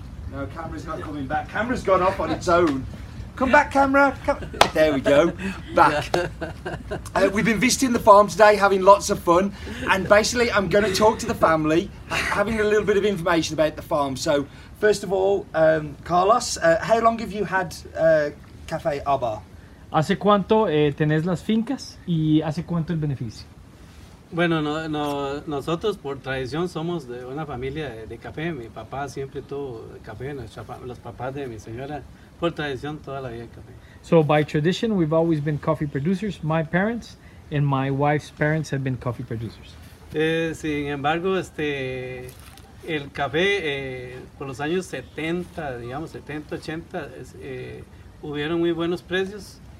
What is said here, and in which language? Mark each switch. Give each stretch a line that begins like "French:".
English: No, camera's not coming back. Camera's gone off on its own. Come back, camera. There we go. Back. We've been visiting the farm today, having lots of fun. And basically, I'm going to talk to the family, having a little bit of information about the farm. So, first of all, Carlos, how long have you had Café Arbar?
Spanish: ¿Hace cuánto tenés las fincas y hace cuánto el beneficio? Bueno, nosotros por tradición somos de una familia de café. Mi papá siempre tuvo café, los papás de mi señora, por tradición toda la vida café.
English: So by tradition, we've always been coffee producers. My parents and my wife's parents have been coffee producers.
Spanish: Sin embargo, el café por los años 70, digamos 70, 80, hubieron muy buenos precios.